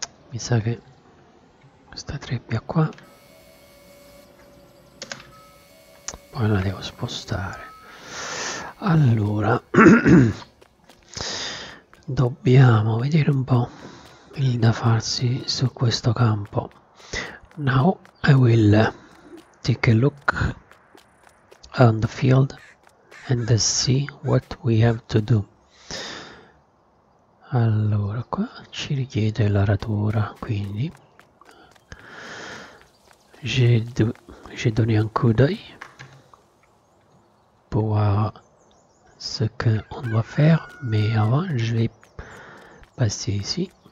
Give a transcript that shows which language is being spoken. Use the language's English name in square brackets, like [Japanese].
[Italian] Mi sa che questa trebbia qua poi la devo spostare. Allora dobbiamo vedere un po' il da farsi su questo campo. [English] Now I will take a look on the field and see what we have to do. [Italian] Allora, qua ci richiede l'aratura, quindi [French] j'ai donné un coup d'œil pour voir ce qu'on doit faire, mais avant je vais passer ici.